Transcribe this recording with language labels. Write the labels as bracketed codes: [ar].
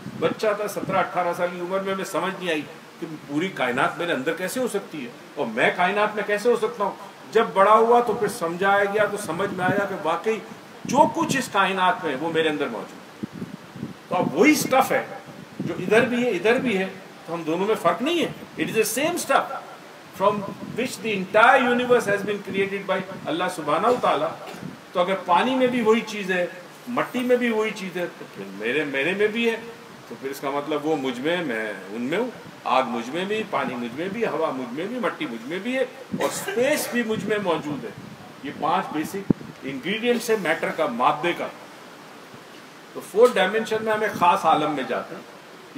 [ur] بچہ تھا 17-18 سال کی عمر میں, میں سمجھ نہیں آئی کہ پوری کائنات میرے اندر کیسے ہو سکتی ہے اور میں کائنات میں کیسے ہو سکتا ہوں. جب بڑا ہوا تو پھر سمجھایا گیا تو سمجھ میں آیا کہ واقعی جو کچھ اس کائنات میں ہے وہ میرے اندر موجود ہے. تو اب وہی سٹف ہے جو ادھر بھی ہے ادھر بھی ہے, تو ہم دونوں میں فرق نہیں ہے. [en] It is a same stuff from which the entire universe has been created by Allah subhanahu wa ta'ala. [ur] تو اگر پانی میں بھی وہی چیز ہے, مٹی میں بھی وہی چیز ہے, تو پھر میرے میں بھی ہے, تو پھر اس کا مطلب وہ مجھ میں, میں ان میں ہوں. آگ مجھ میں بھی, پانی مجھ میں بھی, ہوا مجھ میں بھی, مٹی مجھ میں بھی ہے, اور اسپیس بھی مجھ میں موجود ہے. یہ 5 بیسک انگریڈینٹس ہے میٹر کا, مادے کا. تو 4 ڈائمینشن میں ہمیں خاص عالم میں جاتے ہیں.